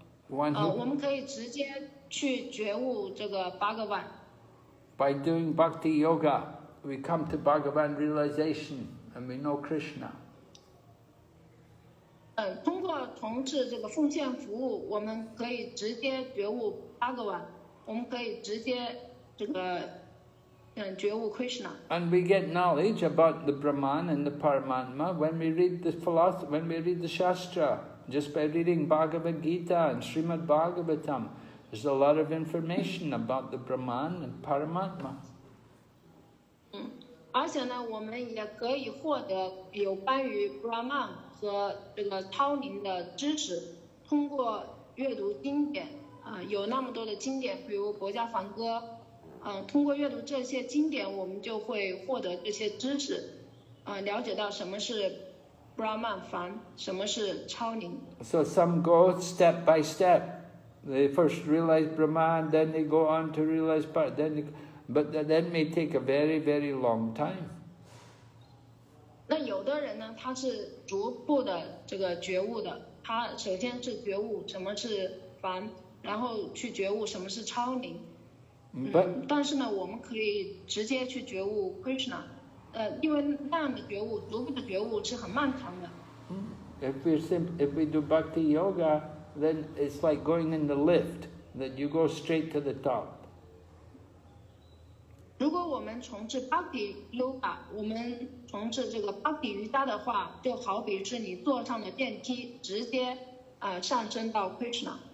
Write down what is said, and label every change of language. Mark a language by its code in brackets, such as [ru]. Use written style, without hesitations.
[zh] 我们可以直接去觉悟这个八个万。 [en] By doing Bhakti Yoga, we come to Bhagavan realization and we know Krishna. [zh] 通过从事这个奉献服务，我们可以直接觉悟八个万。我们可以直接这个觉悟 Krishna. [en] And we get knowledge about the Brahman and the Paramatma when we read the philosophy, when we read the Shastra. Just by reading Bhagavad Gita and Srimad Bhagavatam, there's a lot of information about the Brahman and Paramatma. [zh] 而且呢，我们也可以获得有关于 Brahman 和这个超灵的知识，通过阅读经典。有那么多的经典，比如《国家梵歌》，通过阅读这些经典，我们就会获得这些知识，了解到什么是 Brahman 梵，什么是超灵。 [en] So some go step by step. They first realize Brahman, then they go on to realize part, then they, but that may take a very, very long time. [zh] 那有的人呢，他是逐步的这个觉悟的，他首先是觉悟什么是梵，然后去觉悟什么是超灵。 [en] But, [zh] 但是呢，我们可以直接去觉悟 Krishna， 因为那样的觉悟，逐步的觉悟是很漫长的。 [en] If we do bhakti yoga, then it's like going in the lift, that you go straight to the top. [zh] 如果我们从事 bhakti yoga， 我们从事这个 bhakti 瑜伽的话，就好比是你坐上的电梯，直接上升到 Krishna。